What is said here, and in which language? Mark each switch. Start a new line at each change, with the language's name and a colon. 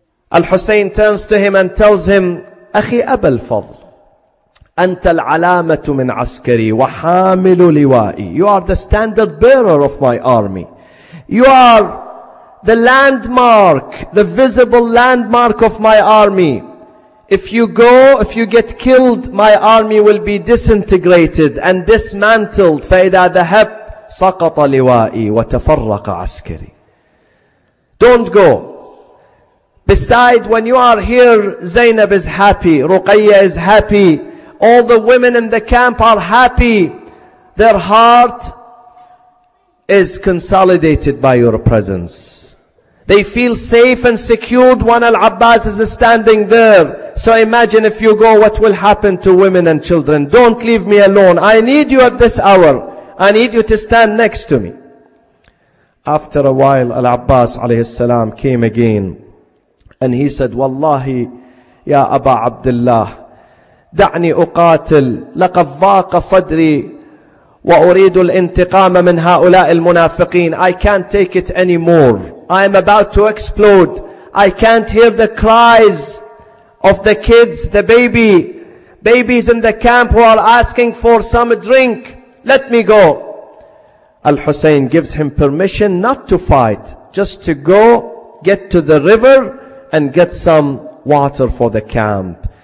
English: Al-Hussein turns to him and tells him, Akhi Aba al-Fadl,
Arabic: أنت العلامة من عسكري وحامل لوائي.
English: You are the standard bearer of my army. You are the landmark, the visible landmark of my army. If you go, if you get killed, my army will be disintegrated and dismantled.
Arabic: فإذا ذهب سقط لوائي وتفرق عسكري.
English: Don't go. Beside, when you are here, Zainab is happy, Ruqayya is happy. All the women in the camp are happy. Their heart is consolidated by your presence. They feel safe and secured when Al-Abbas is standing there. So imagine if you go, what will happen to women and children? Don't leave me alone. I need you at this hour. I need you to stand next to me. After a while, Al-Abbas alayhi salam came again. And he said,
Arabic: Wallahi, ya Aba Abdullah, دعني أقاتل لقد ضاق صدري وأريد الانتقام من هؤلاء المنافقين.
English: I can't take it anymore. I am about to explode. I can't hear the cries of the kids, the babies in the camp who are asking for some drink. Let me go. Al-Hussein gives him permission not to fight, just to go get to the river and get some water for the camp.